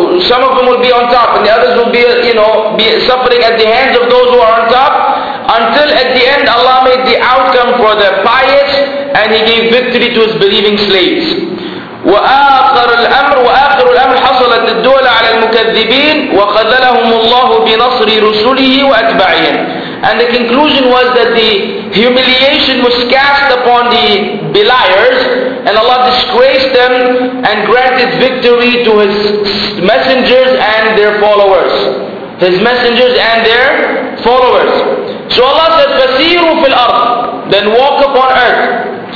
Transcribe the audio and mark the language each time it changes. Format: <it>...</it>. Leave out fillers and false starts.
<en>Some of them will be on top and the others will be suffering at the hands of those who are on top. Until at the end Allah made the outcome for the pious and He gave victory to His believing slaves.</en> <ar>وآخر الأمر حصلت سلطان الدول على المكذبين وخذلهم الله بنصر رسله وأتباعهم.</ar> <en>And the conclusion was that the humiliation was cast upon the beliars, and Allah disgraced them and granted victory to His messengers and their followers. His messengers and their followers. So Allah said,</en> <ar>فَسِيرُوا فِي الْأَرْضِ,</ar> <en>then walk upon earth.</en>